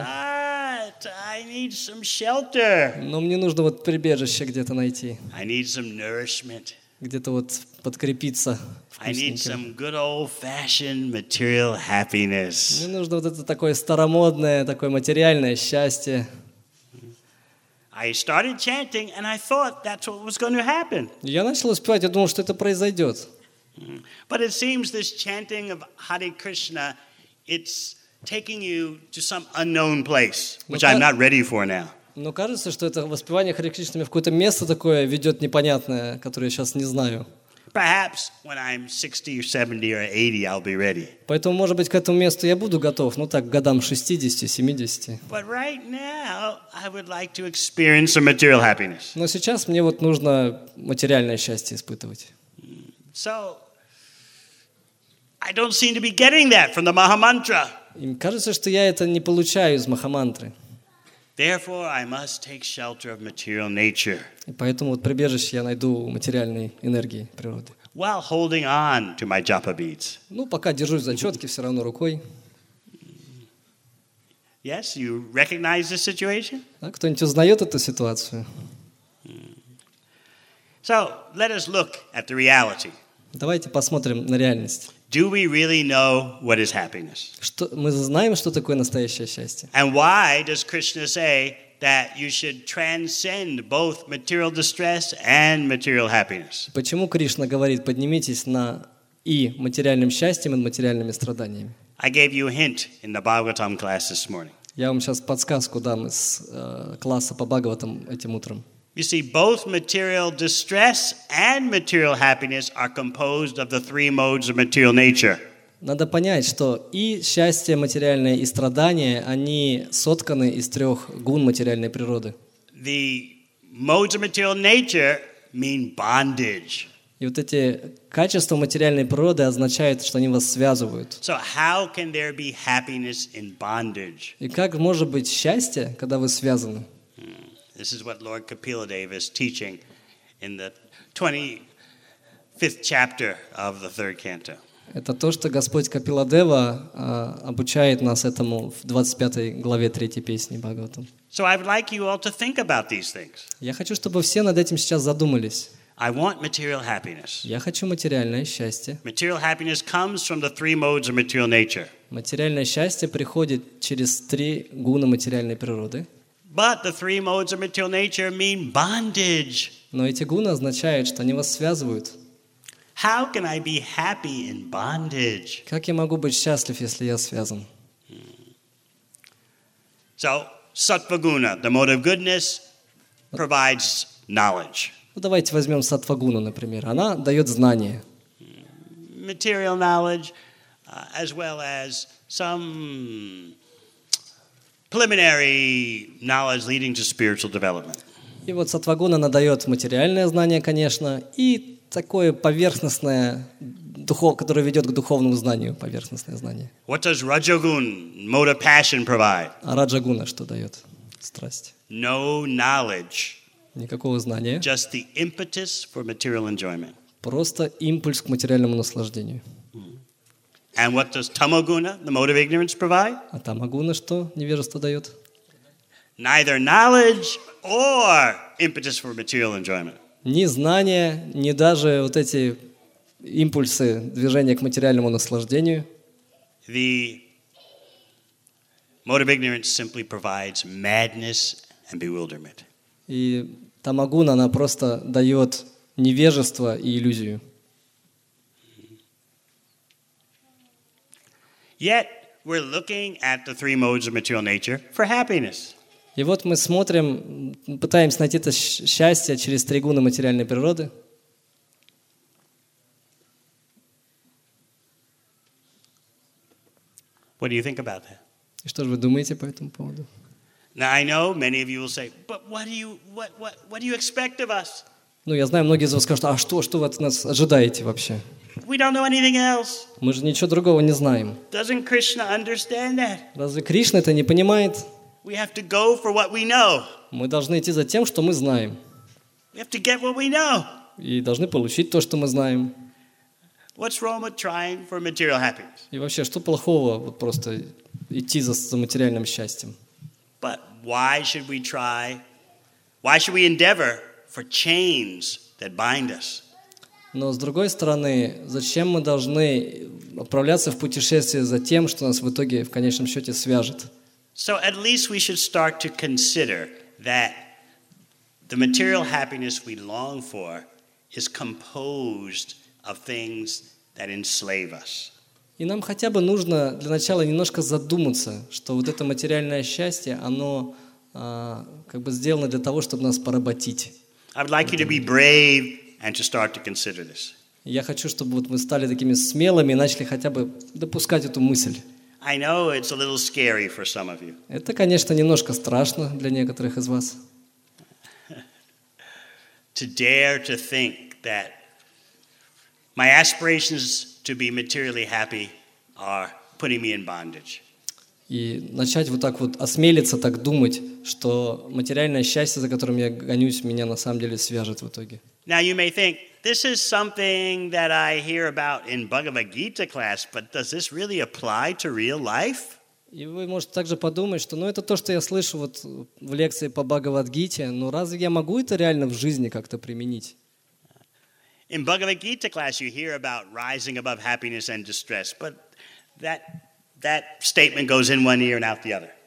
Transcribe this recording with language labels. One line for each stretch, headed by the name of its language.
English: But I need some shelter.
Russian: Но мне нужно вот прибежище где-то найти.
English: I need some nourishment.
Russian: Где-то вот подкрепиться.
English: I need some good old-fashioned material happiness.
Russian: Мне нужно вот это такое старомодное, такое материальное счастье.
English: I started chanting, and I thought that's what was going to happen.
Russian: Я начал воспевать, я думал, что это произойдет.
English: But it seems this chanting of Hare Krishna, it's taking you to some unknown place, which I'm not ready for now.
Russian: Но кажется, что это воспевание Харе Кришна в какое-то место такое ведет непонятное, которое я сейчас не знаю.
English: Perhaps when I'm 60 or 70 or 80, I'll be ready.
Russian: Поэтому, может быть, к этому месту я буду готов, ну так, к годам 60-70.
English: But right now, I would like to experience some material happiness.
Russian: Но сейчас мне вот нужно материальное счастье испытывать.
English: So, I don't seem to be getting that from the Mahamantra.
Russian: Им кажется, что я это не получаю из Махамантры.
English: Therefore, I must take shelter of material nature.
Russian: И поэтому вот прибежище я найду у материальной энергии природы.
English: While holding on to my japa beads.
Russian: Ну, пока держусь за четки, все равно рукой.
English: Yes, you recognize the situation?
Russian: Да, кто-нибудь узнает эту ситуацию?
English: So, let us look at the reality.
Russian: Давайте посмотрим на реальность.
English: Do we really know what is happiness?
Russian: Что мы знаем, что такое настоящее счастье?
English: And why does Krishna say that you should transcend both material distress and material happiness?
Russian: Почему Кришна говорит, поднимитесь на и материальным счастьем, и материальными страданиями?
English: I gave you a hint in the Bhagavatam class this morning.
Russian: Я вам сейчас подсказку дам из класса по Бхагаватам этим утром.
English: You see, both material distress and material happiness are composed of the three modes of material nature.
Russian: Надо понять, что и счастье материальное, и страдания, они сотканы из трех гун материальной природы.
English: The modes of material nature mean bondage.
Russian: И вот эти качества материальной природы означают, что они вас связывают.
English: So how can there be happiness in bondage?
Russian: И как может быть счастье, когда вы связаны?
English: This is what Lord Kapiladeva is teaching in the 25th chapter of the third canto.
Russian: Это то, что Господь Капиладева обучает нас этому в 25-й главе третьей песни Бхагаватам.
English: So I would like you all to think about these things.
Russian: Я хочу, чтобы все над этим сейчас задумались.
English: I want material happiness.
Russian: Я хочу материальное счастье.
English: Material happiness comes from the three modes of material nature.
Russian: Материальное счастье приходит через три гуна материальной природы.
English: But the three modes of material nature mean bondage.
Russian: Но эти гуны означают, что они вас связывают.
English: How can I be happy in bondage?
Russian: Как я могу быть счастлив, если я связан?
English: So, sattva-guna, the mode of goodness, provides knowledge.
Russian: Ну, давайте возьмем сатвагуну, например. Она дает знания.
English: Material knowledge, as well as some preliminary knowledge leading to spiritual development.
Russian: И вот сатвагуна она дает материальное знание, конечно, и такое поверхностное, которое ведет к духовному знанию, поверхностное знание.
English: What does Rajagun, mode of passion, provide?
Russian: А Раджагуна что дает? Страсть.
English: No knowledge.
Russian: Никакого знания.
English: Just the impetus for material enjoyment.
Russian: Просто импульс к материальному наслаждению.
English: And what does tamaguna, the mode of ignorance, provide?
Russian: А тамагуна что невежество дает?
English: Neither knowledge or impetus for material enjoyment.
Russian: Ни знания, ни даже вот эти импульсы движения к материальному наслаждению.
English: The mode of ignorance simply provides madness and bewilderment.
Russian: И тамагуна, она просто дает невежество и иллюзию.
English: Yet we're looking at the three modes of material nature for happiness.
Russian: И вот мы смотрим, пытаемся найти это счастье через три гуны материальной природы.
English: What do you think about that?
Russian: И что же вы думаете по этому поводу?
English: Now I know many of you will say, but what do you expect of us?
Russian: Ну, я знаю, многие из вас скажут, а что вы от нас ожидаете вообще?
English: We don't know anything else.
Russian: Мы же ничего другого не знаем.
English: Doesn't Krishna understand that?
Russian: Разве Кришна это не понимает?
English: We have to go for what we know.
Russian: Мы должны идти за тем, что мы знаем.
English: We have to get what we know.
Russian: И должны получить то, что мы знаем.
English: What's wrong with trying for material happiness?
Russian: И вообще, что плохого вот просто идти за материальным счастьем?
English: But why should we try? Why should we endeavor for chains that bind us?
Russian: Но с другой стороны, зачем мы должны отправляться в путешествие за тем, что нас в итоге в конечном счете свяжет?
English: So at least we should start to consider that the material happiness we long for is composed of things that enslave us.
Russian: И нам хотя бы нужно для начала немножко задуматься, что вот это материальное счастье, оно как бы сделано для того, чтобы нас поработить.
English: I would like you to be brave and to start to consider this.
Russian: Я хочу, чтобы вот мы стали такими смелыми и начали хотя бы допускать эту мысль.
English: I know it's a little scary for some of you.
Russian: Это, конечно, немножко страшно для некоторых из вас.
English: To dare to think that my aspirations to be materially happy are putting me in bondage.
Russian: И начать вот так вот осмелиться так думать, что материальное счастье, за которым я гонюсь, меня на самом деле свяжет в итоге.
English: Now you may think this is something that I hear about in Bhagavad Gita class, but does this really apply to real life?
Russian: И вы можете также подумать, что, ну, это то, что я слышу вот в лекции по Бхагавад Гите, но разве я могу это реально в жизни как-то применить?
English: In Bhagavad Gita class, you hear about rising above happiness and distress, but that statement goes in one ear and out the other.